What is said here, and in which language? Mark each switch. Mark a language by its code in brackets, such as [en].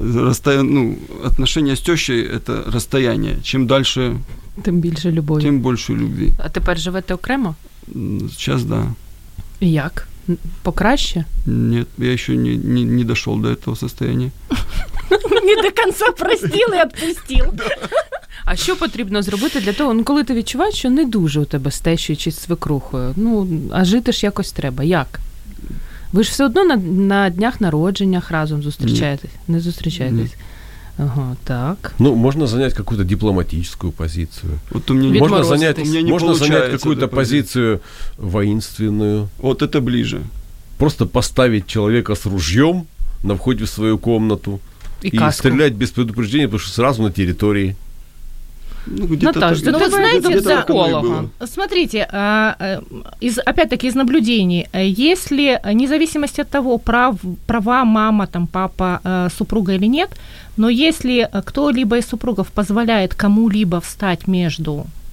[ru] Отношения с тещей – это расстояние. Чем дальше, тем больше любви. Тем больше любви. А теперь живете окремо? Сейчас да. И как? Покраще? Нет, я еще не дошел до этого состояния. Не до конца простил и отпустил. [uk] А що потрібно зробити для того, ну, коли ти відчуваєш, що не дуже у тебе з тещою чи свекрухою, ну, а жити ж якось треба. Як? Ви ж все одно на днях народження разом зустрічаєтесь? Ні. Не зустрічаєтесь? Ні. Ага, так. Ну, можна зайняти якусь дипломатичну позицію. От у мене можна зайняти якусь позицію воїнственну. От це ближче. Просто поставити чоловіка з ружьем на вході в свою кімнату і стріляти без предупреждення, тому що одразу на території. [ru] Наташ, ну, вы знаете, за психолога. Смотрите, опять-таки из наблюдений, если, вне зависимости от того, права мама, там, папа, супруга или нет, но если кто-либо из супругов позволяет кому-либо встать между